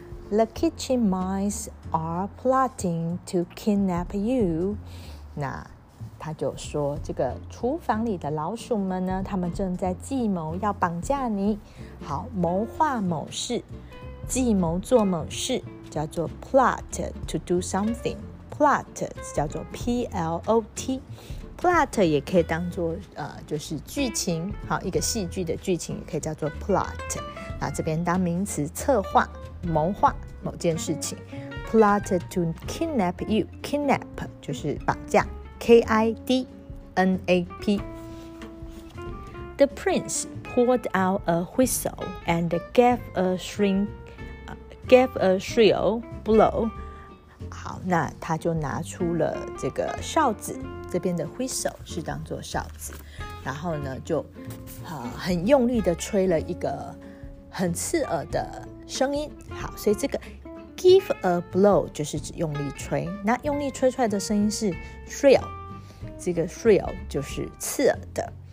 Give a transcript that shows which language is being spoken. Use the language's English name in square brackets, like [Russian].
[English] The kitchen mice are plotting to kidnap you. [Chinese] 那他就说这个厨房里的老鼠们呢他们正在计谋要绑架你。好，谋划某事。计谋做某事叫做 [English] plot to do something. [Chinese] Plot 叫做 P-L-O-T. Plot 也可以当作、就是剧情好一个戏剧的剧情也可以叫做 plot. 那这边当名词策划谋划某件事情。 [English] Plot to kidnap you. [Chinese] Kidnap 就是绑架 K-I-D-N-A-P. [English] The prince poured out a whistle and gave a shrill blow. [Chinese] 好，那他就拿出了这个哨子，这边的 whistle 是当作哨子，然后呢就、很用力的吹了一个很刺耳的声音。好，所以这个 give a blow 就是指用力吹，那用力吹出来的声音是 shrill， 这个 shrill 就是刺耳的。